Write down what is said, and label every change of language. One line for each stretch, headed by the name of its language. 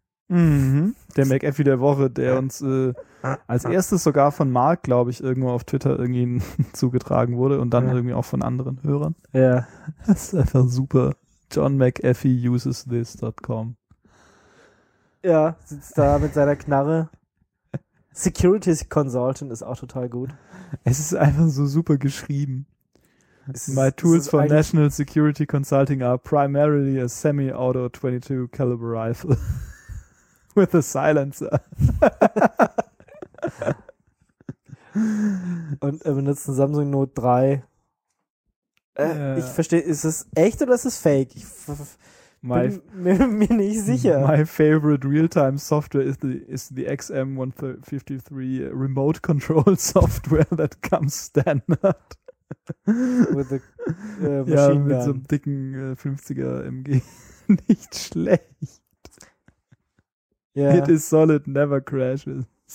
German: Der McAfee der Woche, der uns als erstes sogar von Mark, glaube ich, irgendwo auf Twitter irgendwie zugetragen wurde und dann irgendwie auch von anderen Hörern. Ja. Das ist einfach super.
English: John McAfee uses this.com.
German: Ja, sitzt da mit seiner Knarre. Security Consultant ist auch total gut. Es ist einfach so super geschrieben.
English: My tools for National Security Consulting are primarily a semi-auto 22 caliber rifle. With a silencer.
German: Und er benutzt ein Samsung Note 3. Ich verstehe, ist es echt oder ist es fake? Ich bin mir nicht sicher.
English: My favorite real-time software is the XM153 remote control software that comes standard. With a machine gun.
German: Mit so einem dicken 50er MG. Nicht schlecht.
English: Yeah. It is solid, never crashes.